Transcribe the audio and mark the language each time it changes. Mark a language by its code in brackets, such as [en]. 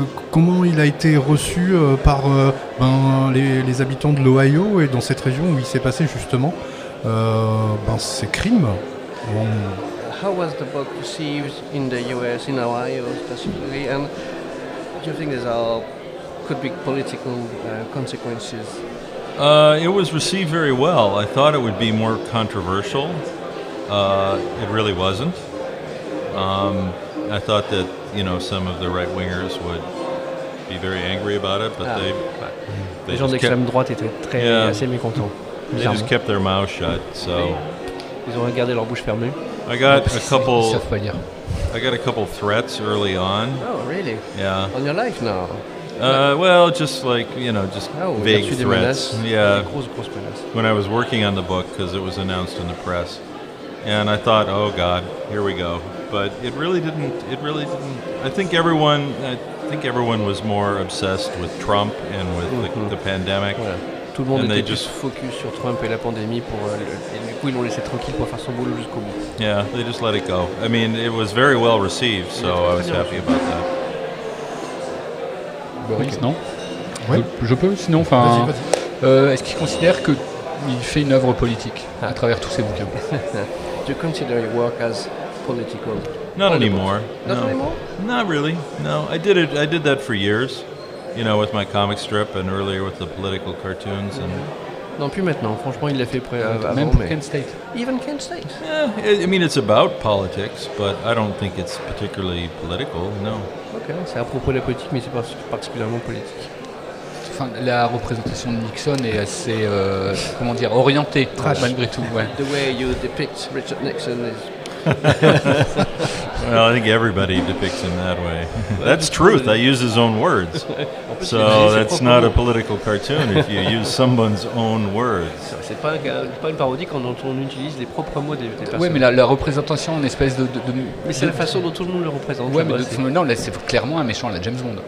[fr] Comment il a été reçu par les habitants de l'Ohio et dans cette région où il s'est passé justement ces crimes? [en] How was the book received in the US, in Ohio specifically, and do you think could be political consequences? It was received very well. I thought it would be more controversial. It really wasn't. I thought that, you know, some of the right wingers would be very angry about it, but [fr] les gens d'extrême droite étaient très assez mécontents. [en] They just kept their mouth shut, so [fr] ils ont gardé leur bouche fermée. [en] I got a couple. I got a couple threats early on. Oh, really? Yeah. On your life now? Vague threats. Yeah. [fr] Grosses menaces. [en] When I was working on the book, because it was announced in the press, and I thought, oh God, here we go. But it really didn't. It really didn't. I think everyone was more obsessed with Trump and with the pandemic. [fr] Voilà. Tout le monde était plus focus sur Trump et la pandémie et du coup ils l'ont laissé tranquille pour faire son boulot jusqu'au bout. [en] Yeah, they just let it go. I mean, it was very well received, so I was happy about that. [fr] Boris, non? Oui. Je peux, sinon, enfin. Vas-y. Est-ce qu'il considère que il fait une œuvre politique à travers tous ses bouquins? [en] Do you consider your work as political? Not anymore. Not anymore? Not really. No, I did that for years, you know, with my comic strip and earlier with the political cartoons, mm-hmm. and [fr] Non, plus maintenant. Franchement, il l'a fait après. Même pour Kent State. [en] Even Kent State. Yeah, I mean, it's about politics, but I don't think it's particularly political. No. [fr] Ok, c'est à propos de la politique, mais c'est pas particulièrement politique. Enfin, la représentation de Nixon est assez, comment dire, orientée, trash. Malgré tout. Ouais. [en] The way you depict Richard Nixon is. Well, I think everybody depicts him that way. That's truth. I use his own words. So that's not a political cartoon if you use someone's own words. [fr] C'est pas une parodie quand on utilise les propres mots des personnes. Oui, mais la représentation en espèce de... Mais c'est la façon dont tout le monde le représente. Oui, mais non, là, c'est clairement un méchant, là, James Bond.